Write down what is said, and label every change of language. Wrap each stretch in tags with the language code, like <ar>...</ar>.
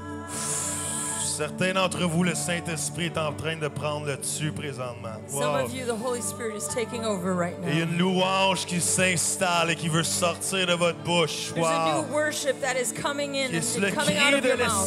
<fr>Certains d'entre vous, le Saint-Esprit est en train de prendre le dessus présentement. Wow.</fr> <en>Some of you, the Holy Spirit is taking over right now.</en> <fr>Il y a une louange qui s'installe et qui veut sortir de votre bouche. Wow.</fr> <en>There's a new worship that is coming in and coming out of your mouth.</en>